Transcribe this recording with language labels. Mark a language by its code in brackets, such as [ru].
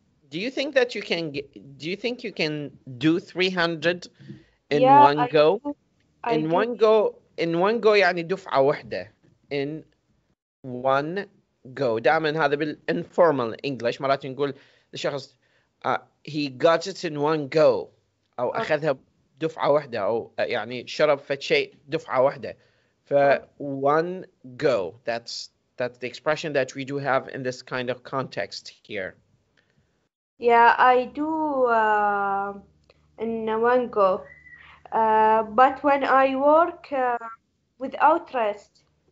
[en] Do you think that you can get, do you think you can do 300 in Yeah, one go? I In do. one go, in one go [ar] يعني دفعة واحدة. [en] In one go. [ar] دائما هذا بال informal English مرات نقول الشخص [en] he got it in one go [ar] أو أخذها دفعة واحدة أو يعني شرب فد شيء دفعة واحدة. [en] ف one go. That's the expression that we do have in this kind of context here. Yeah, I do in one go. But when I work without rest.